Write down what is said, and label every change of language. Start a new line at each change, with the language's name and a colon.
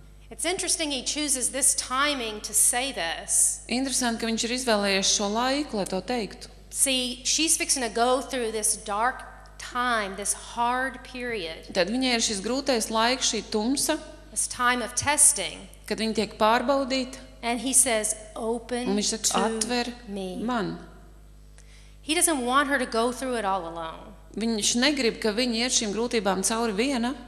English: It's interesting he chooses this timing to say this.
Latvian: Interesanti, ka viņš ir izvēlējies šo laiku, lai to teiktu.
English: See, she's fixing to go through this dark time, this hard period.
Latvian: Tad viņai ir šis grūtais laiks, šī tumsa.
English: This time of testing.
Latvian: Kad viņa tiek pārbaudīta.
English: And he says, open to me.
Latvian: Un viņš saka, atver man.
English: He doesn't want her to go through it all alone.
Latvian: Viņš negrib, ka viņa iet šīm grūtībām cauri viena.